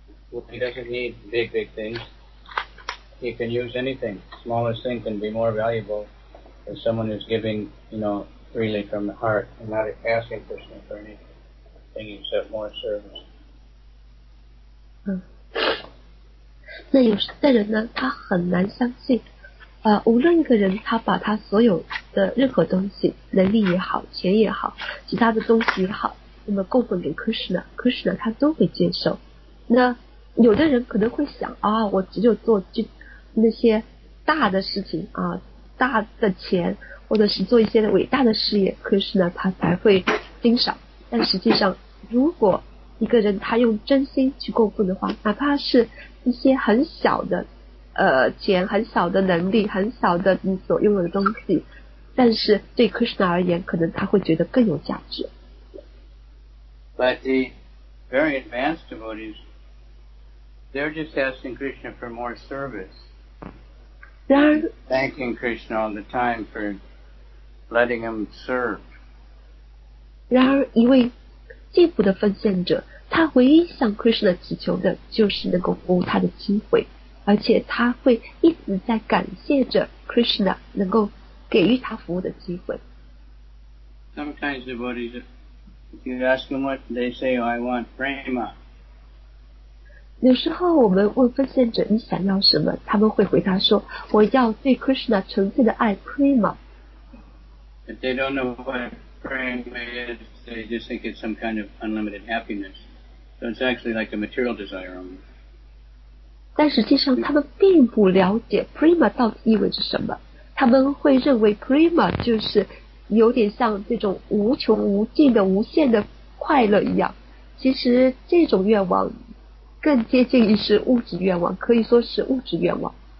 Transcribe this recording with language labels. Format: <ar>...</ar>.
<en>Well, he doesn't need big, big things. He can use anything. Smallest thing can be more valuable than someone who's giving, you know, freely from the heart and not asking Krishna for anything except more service.</en> <zh>那有的人呢，他很难相信。无论一个人他把他所有的任何东西，能力也好，钱也好，其他的东西也好，那么供奉给 Krishna 他都会接受。那有的人可能会想啊，我只有做那些大的事情啊，大的钱，或者是做一些伟大的事业， Krishna 他才会欣赏。但实际上，如果一个人他用真心去供奉的话，哪怕是一些很小的钱，很小的能力，很小的你所拥有的东西，但是对 Krishna 而言，可能他会觉得更有价值。</zh> <en>But the very advanced devotees, they're just asking Krishna for more service. They're thanking Krishna all the time for letting him serve.</en> <zh>然而一位进步的奉献者，他唯一向 Krishna 祈求的就是能够服务他的机会，而且他会一直在感谢着 Krishna 能够给予他服务的机会。</zh> <en>Sometimes devotees, if you ask them what they say, I want prema.</en> <zh>有时候我们问奉献者你想要什么，他们会回答说我要对 Krishna 纯粹的爱 prema.</zh> <en>If they don't know what prema is, they just think it's some kind of unlimited happiness. So it's actually like a material desire only.</en> <zh>但实际上他们并不了解 prema 到底意味着什么，他们会认为 prema 就是有点像这种无穷无尽的无限的快乐一样，其实这种愿望更接近于是物质愿望，可以说是物质愿望。</zh>